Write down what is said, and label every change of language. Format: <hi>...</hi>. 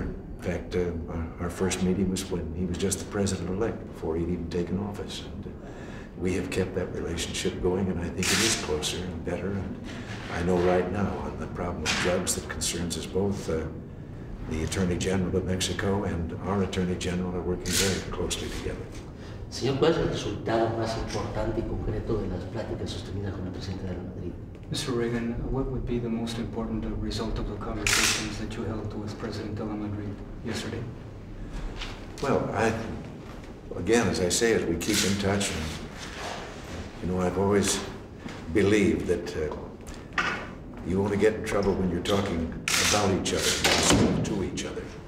<en>In fact, our first meeting was when he was just the president-elect, before he'd even taken office. And we have kept that relationship going, and I think it is closer and better. And I know right now on the problem of drugs that concerns us both, the Attorney General of Mexico and our Attorney General are working very closely together.</en> <es>Señor, ¿cuál es el resultado más importante y concreto de las pláticas sostenidas con el presidente de Madrid?</es> <en>Mr. Reagan, what would be the most important result of the conversations that you held with President de la Madrid yesterday? Well, as we keep in touch, and, you know, I've always believed that you only get in trouble when you're talking about each other, not to each other.</en>